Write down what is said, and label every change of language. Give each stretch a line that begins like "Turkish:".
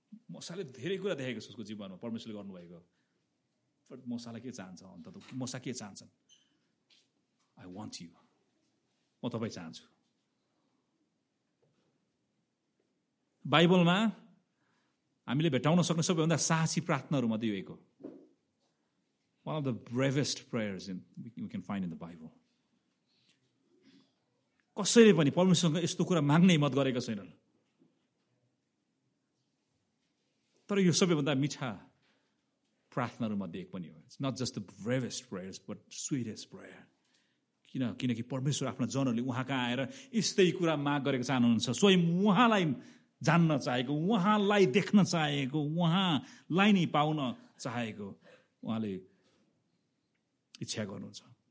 Nepali: मसाले धेरै कुरा देखेको छ उसको जीवनमा परमेश्वरले गर्नुभएको, बट मसाले के चाहन्छ अन्त, मसा के चाहन्छन्?
English: I want you,
Nepali: म तपाईँ चाहन्छु। बाइबलमा हामीले भेटाउन सक्ने सबैभन्दा साहसी प्रार्थनाहरूमध्ये यो एक हो,
English: one of the bravest prayers in we can find in the Bible.
Nepali: कसैले पनि परमेश्वरसँग यस्तो कुरा माग्ने हिम्मत गरेका छैनन्, तर यो सबैभन्दा मिठा प्रार्थनाहरूमध्ये एक पनि हो।
English: it's not just the bravest prayers but sweetest prayer,
Nepali: किनकि परमेश्वर आफ्नो जनहरूले उहाँ कहाँ आएर यस्तै कुरा माग गरेको चाहनुहुन्छ, स्वयं उहाँलाई जान्न चाहेको, उहाँलाई देख्न चाहेको, उहाँलाई नै पाउन चाहेको उहाँले इच्छा गर्नुहुन्छ।